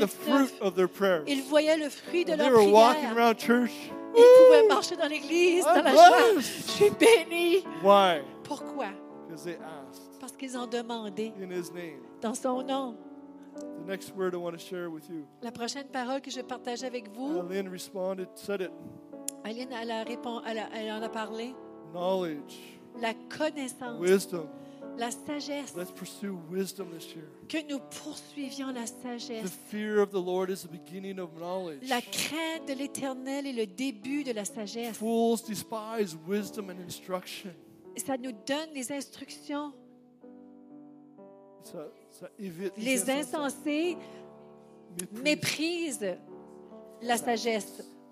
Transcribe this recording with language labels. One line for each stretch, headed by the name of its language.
English: the fruit of their prayers.
French: Ils voyaient le fruit de
English: and
French: leur
English: they were
French: prière.
English: Walking around church.
French: Ils pouvaient marcher dans l'église,
English: I'm
French: dans la
English: blessed.
French: Joie. Je suis béni.
English: Why?
French: Pourquoi?
English: Because they asked.
French: Parce qu'ils ont demandé.
English: In his name.
French: Dans son nom.
English: The next word I want to share with you.
French: La prochaine parole que je partage avec vous.
English: Aline responded, said it.
French: Aline, elle a répondu, elle en a parlé.
English: Knowledge.
French: La connaissance.
English: Wisdom.
French: La sagesse.
English: Let's pursue wisdom this year.
French: Que nous poursuivions la sagesse.
English: The fear of the Lord is the beginning of knowledge.
French: La crainte de l'Éternel est le début de la sagesse.
English: Fools despise wisdom and instruction.
French: Ça nous donne les instructions. Ça évite les insensés méprisent la sagesse.